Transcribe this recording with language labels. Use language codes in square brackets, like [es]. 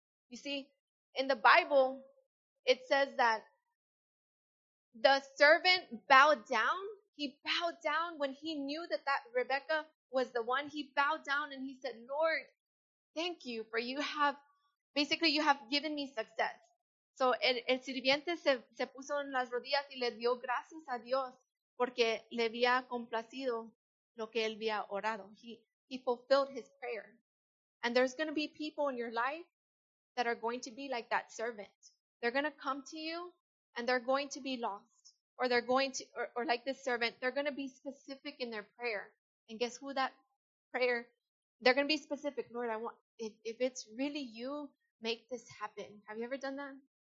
[en] You see, in the Bible, it says that the servant bowed down. He bowed down when he knew that Rebecca was the one. He bowed down and he said, Lord, thank you for you have given me success. [es] So el sirviente se puso en las rodillas y le dio gracias a Dios porque le había complacido lo que él había orado. [en] He fulfilled his prayer. And there's going to be people in your life that are going to be like that servant. They're going to come to you and they're going to be lost. Or they're going to, or like this servant, they're going to be specific in their prayer. And guess who that prayer, they're going to be specific. Lord, I want, if it's really you, make this happen. Have you ever done that?